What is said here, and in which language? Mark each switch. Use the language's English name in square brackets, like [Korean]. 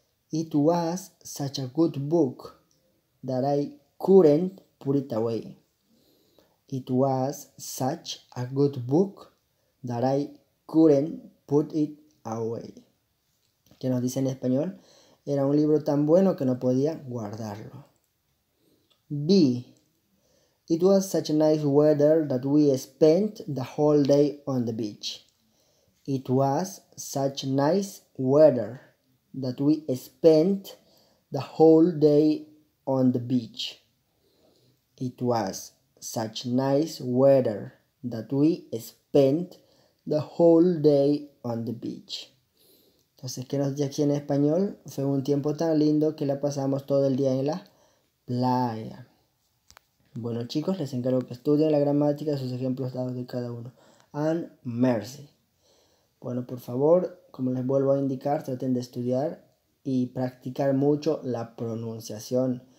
[English] It was such a good book that I couldn't put it away. It was such a good book that I couldn't put it away. [Spanish] ¿Qué nos dice en español? Era un libro tan bueno que no podía guardarlo. [English] B. It was such a nice weather that we spent the whole day on the beach. It was such nice weather that we spent the whole day on the beach. It was such nice weather that we spent the whole day on the beach. [Spanish] Entonces, ¿qué nos dice aquí en español? Fue un tiempo tan lindo que la pasamos todo el día en la playa. Bueno, chicos, les encargo que estudien la gramática y sus ejemplos dados de cada uno. And mercy. Bueno, por favor, como les vuelvo a indicar, traten de estudiar y practicar mucho la pronunciación.